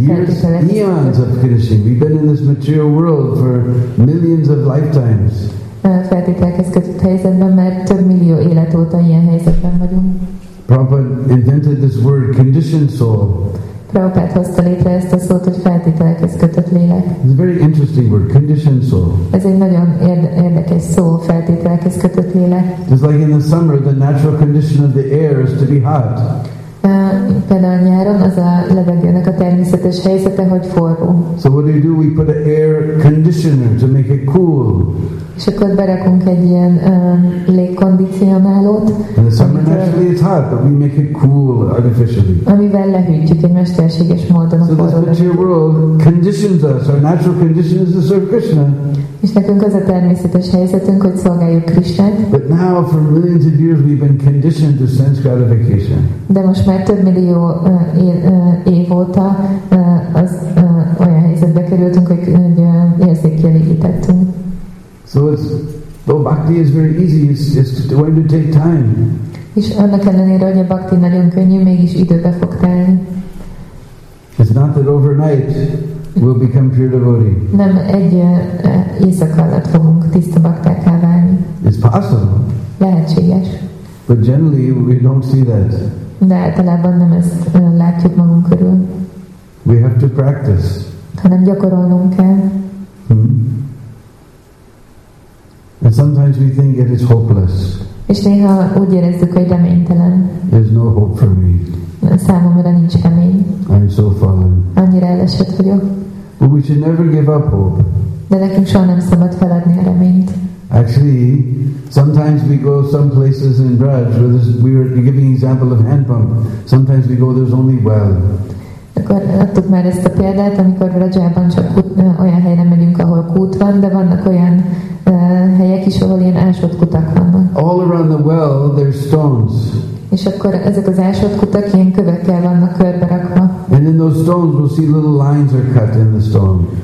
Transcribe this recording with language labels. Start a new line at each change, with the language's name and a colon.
Hungarian: feltételekhez.
English: We've been in this material world for millions of lifetimes.
Hungarian: Feltételekhez kötött helyzetben, mert több millió élet óta ilyen helyzetben vagyunk.
English: Prabhupada invented this word, conditioned soul.
Hungarian: Prabhupada hozta létre ezt a szót, hogy feltételekhez kötött lélek.
English: It's a very interesting word, conditioned soul.
Hungarian: Ez egy nagyon érdekes szó, feltételekhez kötött lélek.
English: It's like in the summer, the natural condition of the air is to be hot.
Hungarian: Például nyáron az a levegőnek a természetes helyzete, hogy forró.
English: So what do? We put an air conditioner to make it cool.
Hungarian: És akkor berakunk egy ilyen légkondicionálót.
English: In the summer naturally it's hot, but we make it cool artificially.
Hungarian: Amivel lehűtjük egy mesterséges módon a forrót.
English: So this material world conditions us. Our natural condition is to serve Krishna.
Hungarian: És nekünk az a természetes helyzetünk, hogy szolgáljuk Krisztát.
English: But now for millions of years we've been conditioned to sense gratification.
Hungarian: De most már több millió év óta az olyan helyzetbe kerültünk, hogy érzékkielégítettünk.
English: So it's, though bhakti is very easy, it's going to take time.
Hungarian: És annak ellenére, hogy a bhakti nagyon könnyű, mégis időbe fog telni.
English: It's not that overnight we'll become pure devotee.
Hungarian: Nem egy éjszaka alatt fogunk tiszta baktákká válni.
English: It's possible.
Hungarian: Lehetséges.
English: But generally we don't see that.
Hungarian: De általában nem ezt látjuk magunk körül.
English: We have to practice.
Hungarian: Hanem gyakorolnunk kell. Hmm.
English: And sometimes we think it is hopeless.
Hungarian: És néha úgy érezzük, hogy reménytelen.
English: There's no hope for me.
Hungarian: Számomra nincs remény.
English: I'm so fallen.
Hungarian: Annyira elesett vagyok.
English: But we should never give up hope.
Hungarian: De nekünk soha nem szabad feladni a reményt.
English: Actually, sometimes we go some places in Braj where this, we were giving example of hand pump. Sometimes we go there's only well.
Hungarian: Akkor adtuk már ezt a példát, amikor Brajában csak olyan helyre megyünk, ahol kút van, de vannak olyan helyek is, ahol ilyen ásott kutak vannak.
English: All around the well there's stones.
Hungarian: És akkor ezek az ásott kutak ilyen kövekkel vannak körberakva.
English: And in those stones we'll see little lines are cut in the stone.